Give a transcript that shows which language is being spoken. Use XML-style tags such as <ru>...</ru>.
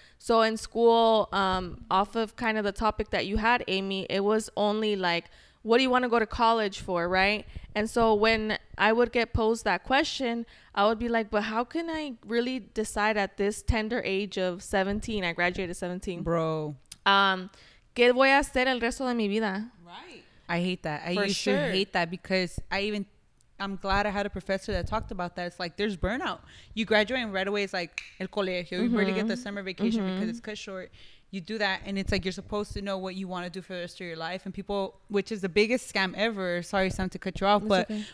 <en>So in school, off of kind of the topic that you had, Amy, it was only, like, what do you want to go to college for, right? And so when I would get posed that question, I would be like, but how can I really decide at this tender age of 17? I graduated 17. Bro.</en> <es>¿Qué voy a hacer el resto de mi vida?</es> <en>Right. I hate that. I used to hate that because I'm glad I had a professor that talked about that. It's like, there's burnout. You graduate and right away it's like,</en> <es>el colegio.</es> <en>Mm-hmm. You barely get the summer vacation because it's cut short. You do that and it's like you're supposed to know what you want to do for the rest of your life. And people, which is the biggest scam ever, sorry Sam to cut you off, that's but okay.</en>